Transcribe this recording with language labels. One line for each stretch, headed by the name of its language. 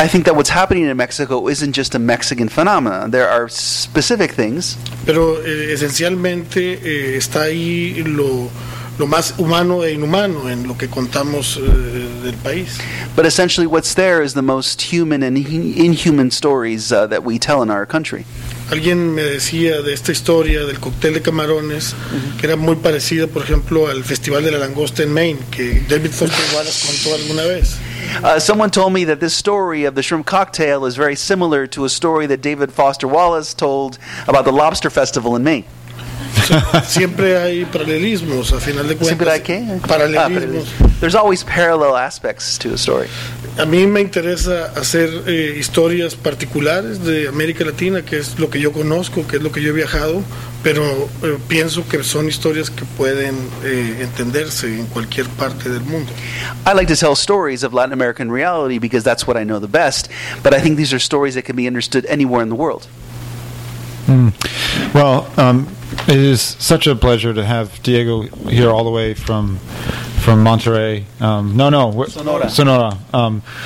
English: I think that what's happening in Mexico isn't just a Mexican phenomenon. There are specific things.
Spanish: Pero esencialmente está ahí lo más humano e inhumano en lo que contamos del país.
English: But essentially what's there is the most human and inhuman stories that we tell in our country.
Spanish: Alguien me decía de esta historia del cóctel de camarones, que era muy parecida, por ejemplo, al Festival de la Langosta en Maine, que David Foster Wallace contó alguna vez.
English: Someone told me that this story of the shrimp cocktail is very similar to a story that David Foster Wallace told about the lobster festival in Maine.
Spanish: Siempre hay paralelismos, a final de cuentas. ¿Siempre hay qué? Paralelismos.
English: There's always parallel aspects to a story.
Spanish: A mí me interesa hacer historias particulares de América Latina, que es lo que yo conozco, que es lo que yo he viajado, pero pienso que son historias que pueden entenderse en cualquier parte del mundo.
English: I like to tell stories of Latin American reality because that's what I know the best, but I think these are stories that can be understood anywhere in the world. Well, it is such a pleasure to have Diego here all the way from Monterrey. Sonora.